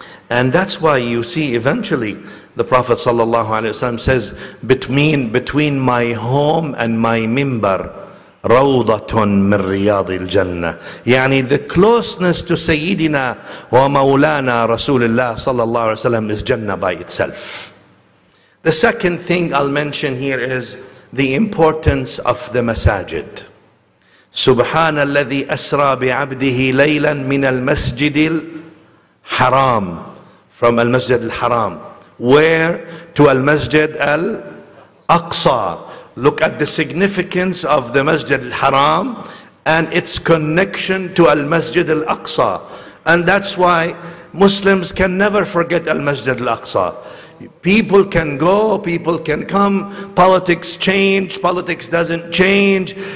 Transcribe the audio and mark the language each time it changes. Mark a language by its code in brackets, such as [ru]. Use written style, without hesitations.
[en] And that's why you see eventually, the Prophet sallallahu alayhi wa sallam says, between my home and my minbar, [ar] rawdatun min riyadil jannah. [en] Yani the closeness to Sayyidina wa Mawlana Rasulullah sallallahu alayhi wa sallam is Jannah by itself. The second thing I'll mention here is the importance of the masajid. [ar] سبحان الذي أسرى بعبده ليلا من المسجد الحرام [en] from [ar] المسجد الحرام [en] where to [ar] المسجد الأقصى. [en] Look at the significance of the مسجد الحرام and its connection to المسجد الأقصى. And that's why Muslims can never forget المسجد الأقصى. People can go, people can come, politics change, politics doesn't change.